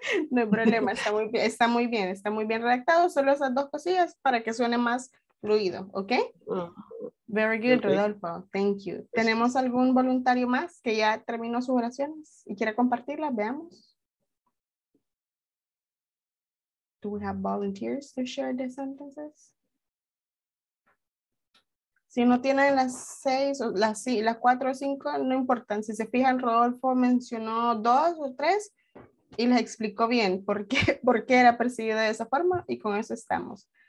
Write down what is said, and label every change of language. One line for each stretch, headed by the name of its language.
Spanish: No hay problema, está muy bien, está muy bien, está muy bien redactado. Solo esas dos cosillas para que suene más fluido, ¿ok?
English: Very good, okay.
Spanish: Rodolfo.
English: Thank you.
Spanish: ¿Tenemos algún voluntario más que ya terminó sus oraciones y quiera compartirlas? Veamos.
English: Do we have volunteers to share the sentences?
Spanish: Si no tienen las seis, las cuatro o cinco, no importa. Si se fijan, Rodolfo mencionó dos o tres y les explicó bien por qué era percibida de esa forma y con eso estamos.